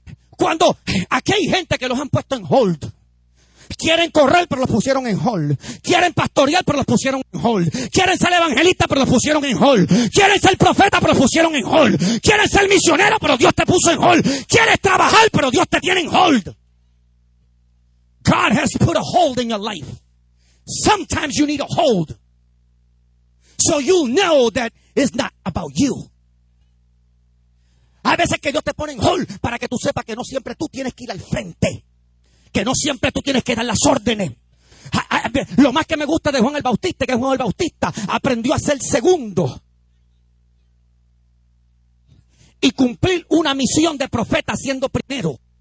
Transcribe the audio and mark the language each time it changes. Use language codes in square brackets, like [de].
[es] Cuando aquí hay gente que los han puesto en hold. Quieren correr, pero los pusieron en hold. Quieren pastorear, pero los pusieron en hold. Quieren ser evangelista, pero los pusieron en hold. Quieren ser profeta, pero los pusieron en hold. Quieren ser misionero, pero Dios te puso en hold. Quieres trabajar, pero Dios te tiene en hold. [en] God has put a hold in your life. Sometimes you need a hold. So you know that it's not about you. [es] Hay veces que Dios te pone en hold para que tú sepas que no siempre tú tienes que ir al frente. Que no siempre tú tienes que dar las órdenes. Lo más que me gusta de Juan el Bautista es que Juan el Bautista aprendió a ser segundo y cumplir una misión de profeta siendo primero.